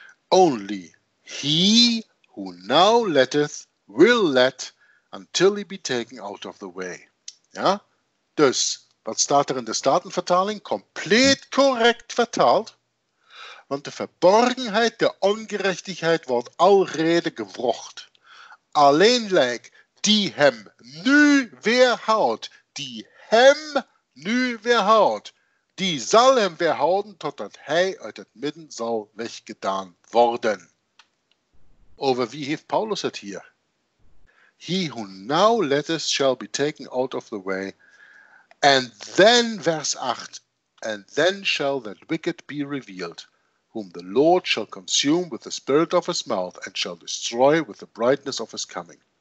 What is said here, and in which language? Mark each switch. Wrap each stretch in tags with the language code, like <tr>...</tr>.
<en>Only he who now letteth will let until he be taken out of the way.</en> <nl>Ja? Dus, wat staat er in de Statenvertaling? Compleet correct vertaald. Want de verborgenheid der ongerechtigheid wordt alrede gewrocht. Alleen lijk die hem nu weerhoudt, die hem nu weerhoudt, die zal hem weerhouden totdat hij uit het midden zal weggedaan worden. Over wie heeft Paulus het hier?</nl> <en>He who now letteth shall be taken out of the way. And then, vers 8, and then shall that wicked be revealed, whom the Lord shall consume with the spirit of his mouth and shall destroy with the brightness of his coming.</en>